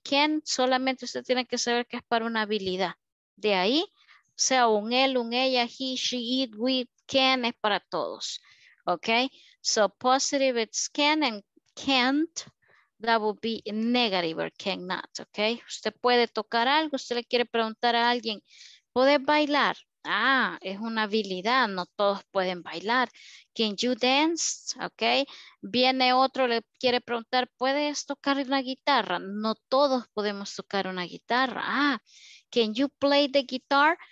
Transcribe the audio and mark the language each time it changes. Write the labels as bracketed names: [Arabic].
[Spanish] Can't, solamente usted tiene que saber que es para una habilidad. De ahí, sea un él, un ella, [English] he, she, it, we, can, [Spanish] es para todos, ¿ok? [English] So positive it's can and can't, that would be negative or cannot, okay? [Spanish] Usted puede tocar algo, usted le quiere preguntar a alguien, ¿puede bailar? Ah, es una habilidad, no todos pueden bailar. [English] Can you dance? [Spanish] Okay. Viene otro, le quiere preguntar, ¿puedes tocar una guitarra? No todos podemos tocar una guitarra. Ah, [English] can you play the guitar?